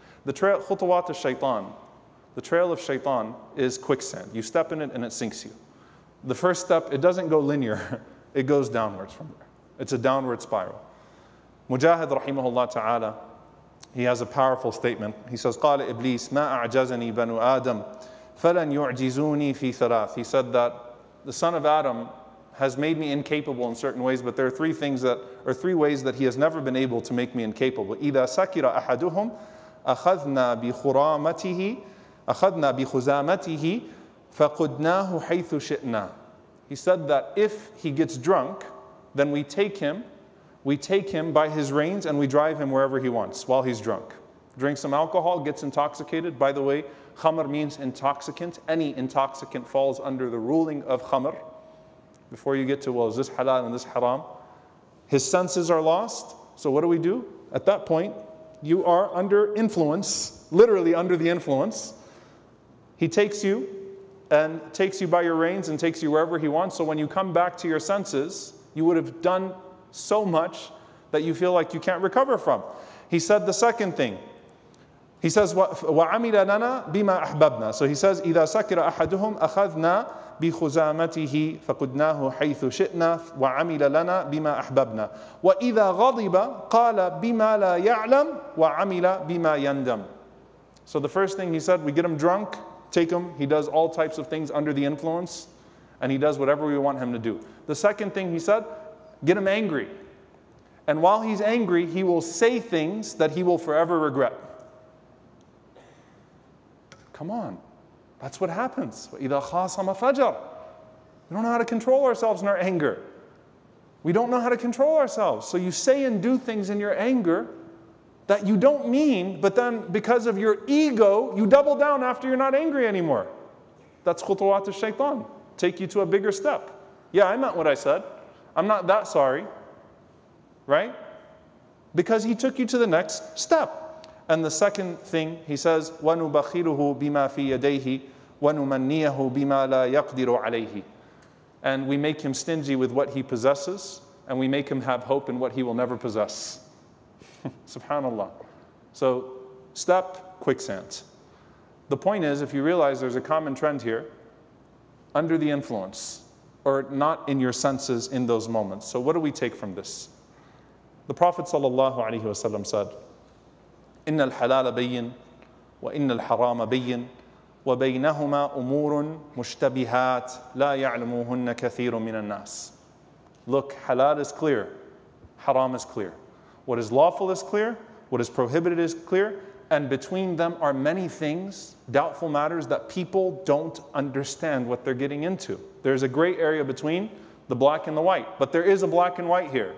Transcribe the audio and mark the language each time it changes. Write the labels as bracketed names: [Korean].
[English] The trail, khutwat al-shaytan. The trail of shaitan is quicksand. You step in it and it sinks you. The first step, it doesn't go linear. It goes downwards from there. It's a downward spiral. Mujahid rahimahullah ta'ala, he has a powerful statement. He says, [Arabic] قَالَ إِبْلِيسْ مَا أَعْجَزَنِي بَنُوا آدَمْ فَلَنْ يُعْجِزُونِي فِي ثَلَاثٍ. [English] He said that the son of Adam has made me incapable in certain ways, but there are three ways that he has never been able to make me incapable. [Arabic] إِذَا سَكِرَ أَحَدُهُمْ أَخَذْنَا بِخُرَامَتِهِ أَخَذْنَا بِخُزَامَتِهِ فَقُدْنَاهُ حَيْثُ شِئْنَا. [English] He said that if he gets drunk, then we take him by his reins and we drive him wherever he wants while he's drunk. Drink some alcohol, gets intoxicated. By the way, khamr means intoxicant. Any intoxicant falls under the ruling of khamr. Before you get to, well, is this halal and this haram? His senses are lost. So what do? At that point, you are under influence, literally under the influence. He takes you by your reins and takes you wherever he wants. So when you come back to your senses, you would have done so much that you feel like you can't recover from. He said the second thing. He says, [Arabic] وَعَمِلَ لَنَا بِمَا أَحْبَبْنَا. [English] So he says, [Arabic] إِذَا سَكِرَ أَحَدُهُمْ أَخَذْنَا بِخُزَامَتِهِ فَقُدْنَاهُ حَيْثُ شِئْنَا وَعَمِلَ لَنَا بِمَا أَحْبَبْنَا. وَإِذَا غَضِبَ قَالَ بِمَا لَا يَعْلَمْ وَعَمِلَ بِمَا يَنْدَمْ. [English] So the first thing he said, we get him drunk, take him, he does all types of things under the influence, and he does whatever we want him to do. The second thing he said, get him angry. And while he's angry, he will say things that he will forever regret. Come on. That's what happens. [Arabic] وَإِذَا خَاصَمَ فَجَرَ. [English] We don't know how to control ourselves in our anger. We don't know how to control ourselves. So you say and do things in your anger that you don't mean, but then because of your ego, you double down after you're not angry anymore. That's [Arabic] خُطُوَاتُ الشَّيْطَانِ. [English] Take you to a bigger step. Yeah, I meant what I said. I'm not that sorry, right? Because he took you to the next step. And the second thing, he says, [Arabic] وَنُبَخِّرُهُ بِمَا فِي يَدَيْهِ وَنُمَنِّيَهُ بِمَا لَا يَقْدِرُ عَلَيْهِ. [English] And we make him stingy with what he possesses, and we make him have hope in what he will never possess. Subhanallah. So, step, quicksand. The point is, if you realize there's a common trend here, under the influence, or not in your senses in those moments. So what do we take from this? The Prophet ﷺ said, [Arabic] إِنَّ الْحَلَالَ بَيِّنْ وَإِنَّ الْحَرَامَ بَيِّنْ وَبَيْنَهُمَا أُمُورٌ مُشْتَبِهَاتٌ لَا يَعْلَمُهُنَّ كَثِيرٌ مِنَ النَّاسِ. [English] Look, halal is clear, haram is clear. What is lawful is clear, what is prohibited is clear, and between them are many things, doubtful matters, that people don't understand what they're getting into. There's a gray area between the black and the white, but there is a black and white here.